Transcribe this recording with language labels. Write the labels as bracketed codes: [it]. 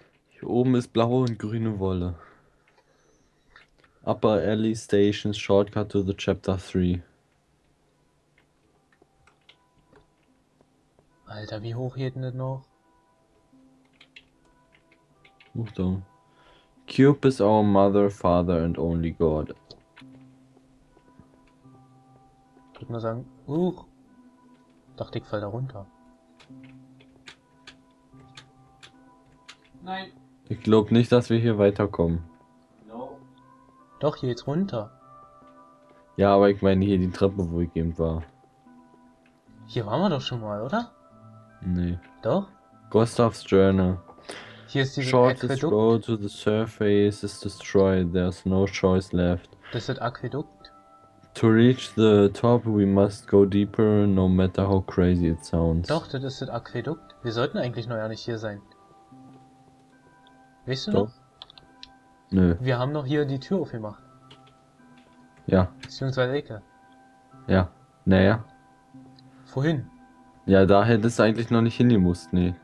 [de] Hier oben ist blaue und grüne Wolle. [en] Upper Alley Station, Shortcut to the Chapter 3. [de] Alter, wie hoch geht denn das noch? Achtung. [en] Cube is our mother, father and only God. [de] Ich würde nur sagen, dachte ich fall da runter. Nein. Ich glaube nicht, dass wir hier weiterkommen. [en] No. [de] Doch, hier geht's runter. Ja, aber ich meine hier die Treppe, wo ich eben war. Hier waren wir doch schon mal, oder? Nee. Doch? Gustav's Journal. Hier ist die [en] Shortest road to the surface is destroyed. There's no choice left. [de] Das ist das Aquädukt. [en] To reach the top, we must go deeper, no matter how crazy it sounds. [de] Doch, das ist das Aquädukt. Wir sollten eigentlich noch ja nicht hier sein. Weißt du doch. Noch? Nö. Wir haben noch hier die Tür aufgemacht. Ja. Beziehungsweise Ecke. Ja. Naja. Wohin? Ja, da hättest du eigentlich noch nicht hingemusst, nee.